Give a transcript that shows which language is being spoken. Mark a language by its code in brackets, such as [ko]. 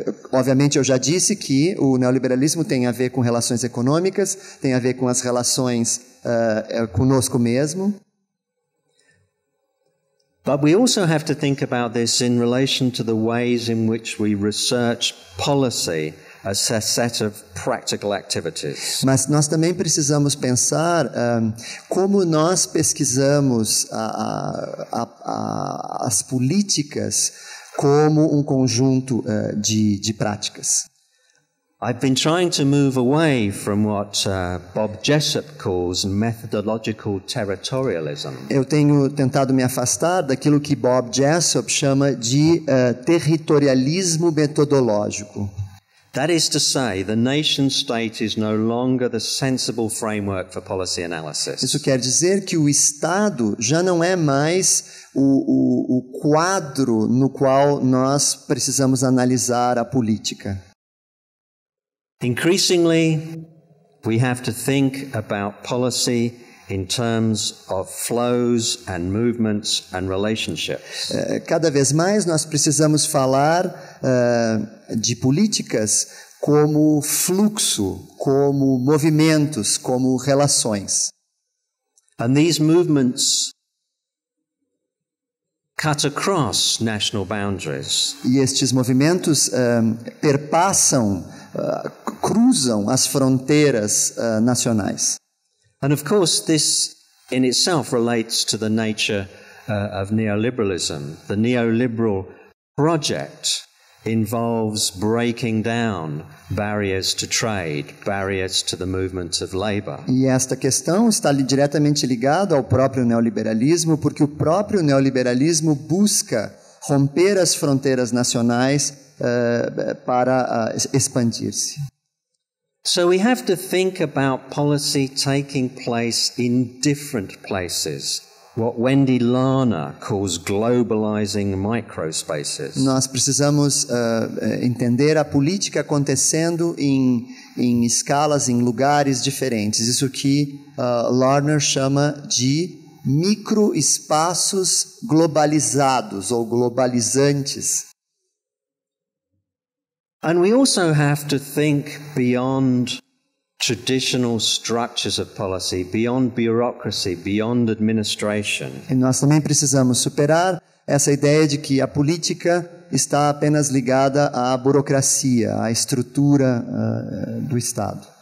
[pt] Obviamente eu já disse que o neoliberalismo tem a ver com relações econômicas, tem a ver com as relações conosco mesmo. [en] But we also have to think about this in relation to the ways in which we research policy as a set of practical activities. [pt] Mas nós também precisamos pensar como nós pesquisamos as políticas como um conjunto de práticas. [en] I've been trying to move away from what Bob Jessop calls methodological territorialism. [pt] Eu tenho tentado me afastar daquilo que Bob Jessop chama de territorialismo metodológico. [en] That is to say, the nation state is no longer the sensible framework for policy analysis. [pt] Isso quer dizer que o Estado já não é mais o quadro no qual nós precisamos analisar a política. [en] Increasingly, we have to think about policy in terms of flows and movements and relationships. [pt] Cada vez mais nós precisamos falar de políticas como fluxo, como movimentos, como relações. [en] And these movements cut across national boundaries. [pt] E estes movimentos perpassam, cruzam as fronteiras nacionais. [en] And of course, this in itself relates to the nature of neoliberalism. The neoliberal project involves breaking down barriers to trade, barriers to the movement of labor. [pt] E esta questão está diretamente ligada ao próprio neoliberalismo, porque o próprio neoliberalismo busca romper as fronteiras nacionais para expandir-se. [en] So we have to think about policy taking place in different places. What Wendy Lahner calls globalizing microspaces. [pt] Nós precisamos entender a política acontecendo em escalas, em lugares diferentes. Isso que Lahner chama de microespaços globalizados ou globalizantes. [en] And we also have to think beyond traditional structures of policy, beyond bureaucracy, beyond administration. [pt] E nós também precisamos superar essa ideia de que a política está apenas ligada à burocracia, à estrutura do Estado.